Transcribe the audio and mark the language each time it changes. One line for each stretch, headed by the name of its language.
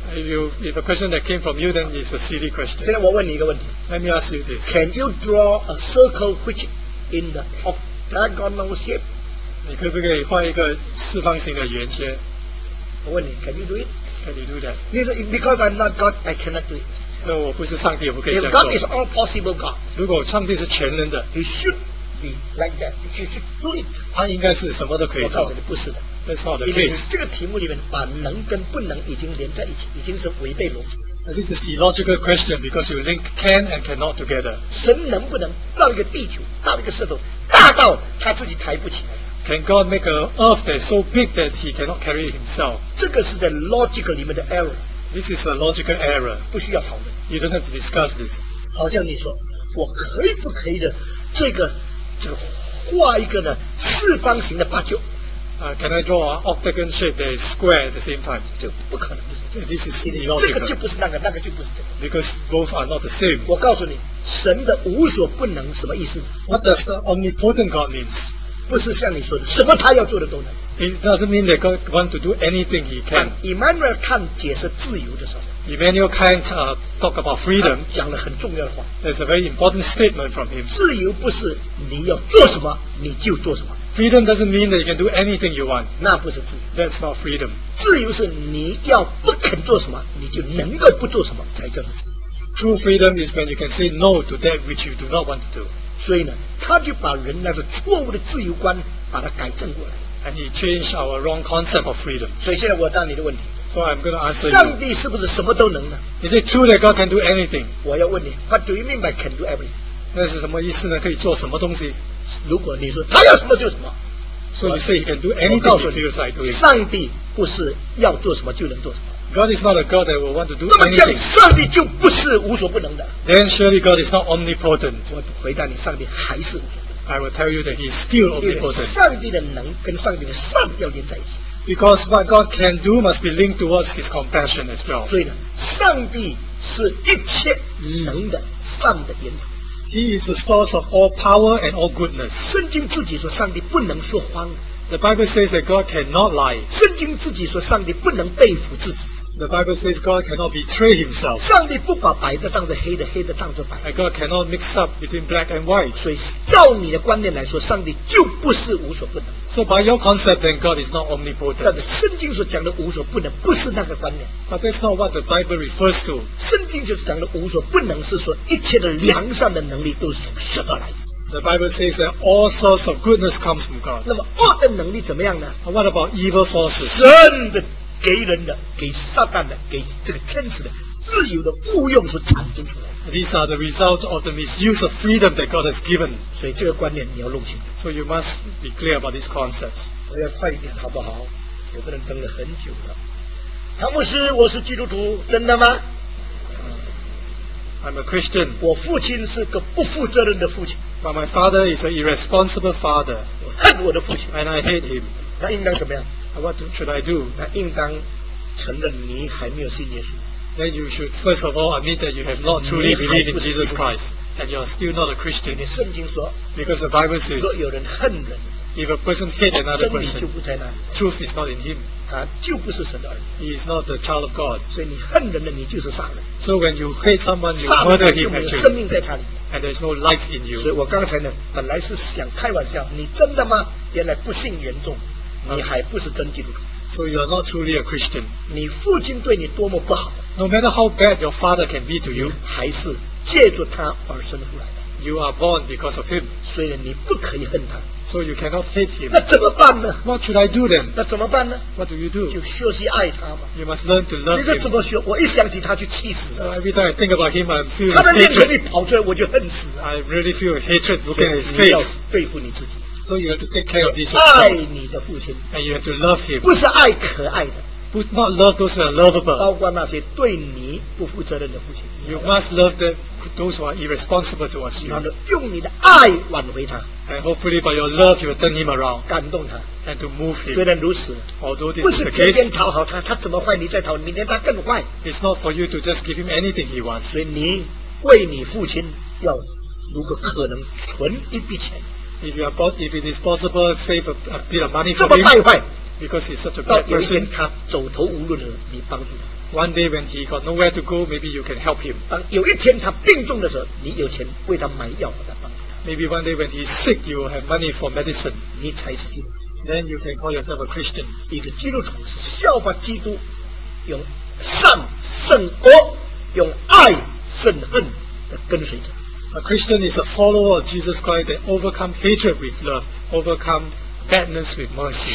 English: If a question that came from you, then it's a silly question.
Chinese: 现在我问你一个问题。
English: Let me ask you this. Can you draw a circle which in the octagonal shape?
Chinese: 你可不可以画一个四方形的圆圈？我问你
English: ，Can you do it? Can you do that? This is because I'm not God, I cannot do it.
Chinese: 那我不是上帝，我不可以这样做。
English: If God is all possible God,
Chinese: 如果上帝是全能的
English: ，He should be like that. He should do it.
Chinese: 他应该是什么都可以做。我告诉你，不是的。
English: That's not the case.
Chinese: 因为这个题目里面把能跟不能已经连在一起，已经是违背逻辑。
English: This is illogical question because you link can and cannot together.
Chinese: 神能不能造一个地球，造一个石头，大到他自己抬不起来？
English: Can God make an earth that's so big that he cannot carry it himself?
Chinese: 这个是在 logical 里面的 error.
English: This is a logical error.
Chinese: 不需要讨论。
English: You don't have to discuss this.
Chinese: 好像你说，我可以不可以的，这个画一个呢四方形的八九。
English: Can I draw an octagon shape that is square at the same time?
Chinese: 就不可能。
English: This is illogical.
Chinese: 这个就不是那个，那个就不是这个。
English: Because both are not the same.
Chinese: 我告诉你，神的无所不能什么意思？
English: What does the omnipotent God means?
Chinese: 不是像你说的，什么他要做的都能。
English: It doesn't mean that God wants to do anything he can.
Chinese: Immanuel Kant 解释自由的时候
English: ，Immanuel Kant talk about freedom，
Chinese: 讲了很重要的话。
English: There's a very important statement from him.
Chinese: 自由不是你要做什么你就做什么。
English: Freedom doesn't mean that you can do anything you want.
Chinese: 那不是自由。
English: That's not freedom.
Chinese: 自由是你要不肯做什么，你就能够不做什么才叫做自由。
English: True freedom is when you can say no to that which you do not want to do.
Chinese: 所以呢，他就把人那个错误的自由观把它改正过来。
English: And he changed our wrong concept of freedom.
Chinese: 所以现在我答你的问题。
English: So I'm going to answer.
Chinese: 上帝是不是什么都能呢
English: ？Is it true that God can do anything?
Chinese: 我要问你
English: ，What do you mean by can do everything?
Chinese: 那是什么意思呢？可以做什么东西？如果你说他要什么就什么
English: ，So you say he can do anything he feels like doing.
Chinese: 上帝不是要做什么就能做什么。
English: God is not a God that will want to do anything.
Chinese: 那么这样，上帝就不是无所不能的。
English: Then surely God is not omnipotent.
Chinese: 我回答你，上帝还是。
English: I will tell you that He is still omnipotent.
Chinese: 上帝的能跟上帝的善要连在一起。
English: Because what God can do must be linked towards His compassion as well.
Chinese: 所以呢，上帝是一切能的善的源头。
English: He is the source of all power and all goodness.
Chinese: 圣经自己说，上帝不能说谎。
English: The Bible says that God cannot lie.
Chinese: 圣经自己说，上帝不能背负自己。
English: The Bible says God cannot betray himself.
Chinese: 上帝不把白的当作黑的，黑的当作白。
English: And God cannot mix up between black and white.
Chinese: 所以，照你的观念来说，上帝就不是无所不能。
English: So by your concept, then God is not omnipotent.
Chinese: 但是圣经所讲的无所不能不是那个观念。
English: But that's not what the Bible refers to.
Chinese: 圣经所讲的无所不能是说一切的良善的能力都是从神而来。
English: The Bible says that all sorts of goodness comes from God.
Chinese: 那么恶的能力怎么样呢？
English: What about evil forces?
Chinese: 神的给人的，给撒旦的，给这个天使的自由的误用所产生出来的。
English: These are the results of the misuse of freedom that God has given.
Chinese: 所以这个观念你要弄清楚。
English: So you must be clear about this concept.
Chinese: 我要快一点好不好？有个人等了很久了。唐牧师，我是基督徒，真的吗？
English: I'm a Christian.
Chinese: 我父亲是个不负责任的父亲。
English: But my father is an irresponsible father.
Chinese: 我恨我的父亲。
English: And I hate him.
Chinese: 他应当怎么样？
English: What should I do?
Chinese: 他应当承认你还没有信耶稣。
English: Then you should first of all admit that you have not truly believed in Jesus Christ, and you are still not a Christian.
Chinese: 你圣经说。
English: Because the Bible says.
Chinese: 若有人恨人。
English: If a person hates another person,
Chinese: 真理就不在那里。
English: Truth is not in him.
Chinese: 他就不是神的儿子。
English: He is not the child of God.
Chinese: 所以你恨人的，你就是杀人。
English: So when you hate someone, you murder him.
Chinese: 杀人就没有生命在他里。
English: And there is no life in you.
Chinese: 所以我刚才呢，本来是想开玩笑，你真的吗？原来不信严重，你还不是真基督徒。
English: So you are not truly a Christian.
Chinese: 你父亲对你多么不好。
English: No matter how bad your father can be to you,
Chinese: 还是借助他而生出来的。
English: You are born because of him.
Chinese: 虽然你不可以恨他。
English: So you cannot hate him.
Chinese: 那怎么办呢？
English: What should I do then?
Chinese: 那怎么办呢？
English: What do you do?
Chinese: 就学习爱他嘛。
English: You must learn to love him.
Chinese: 你说怎么学？我一想起他就气死了。
English: So every time I think about him, I feel hatred.
Chinese: 他的面孔一跑出来，我就恨死了。
English: I really feel hatred looking at his face.
Chinese: 你要对付你自己。
English: So you have to take care of this yourself.
Chinese: 爱你的父亲。
English: And you have to love him.
Chinese: 不是爱可爱的。
English: But not love those who are lovable.
Chinese: 包括那些对你不负责任的父亲。
English: You must love them, those who are irresponsible towards you.
Chinese: 然后用你的爱挽回他。
English: And hopefully by your love, you will turn him around.
Chinese: 感动他。
English: And to move him.
Chinese: 虽然如此。
English: Although this is the case.
Chinese: 不是天天讨好他，他怎么坏你再讨，明天他更坏。
English: It's not for you to just give him anything he wants.
Chinese: 所以你为你父亲要如果可能存一笔钱。
English: If it is possible, save a bit of money for him.
Chinese: 这么败坏。
English: Because he's such a bad person.
Chinese: 到有一天他走投无路了，你帮助他。
English: One day when he got nowhere to go, maybe you can help him.
Chinese: 当有一天他病重的时候，你有钱为他买药和他帮助他。
English: Maybe one day when he's sick, you will have money for medicine.
Chinese: 你才是基督徒。
English: Then you can call yourself a Christian.
Chinese: 一个基督徒是效法基督，用善胜恶，用爱胜恨的跟随者。
English: A Christian is a follower of Jesus Christ that overcome hatred with love, overcome badness with mercy.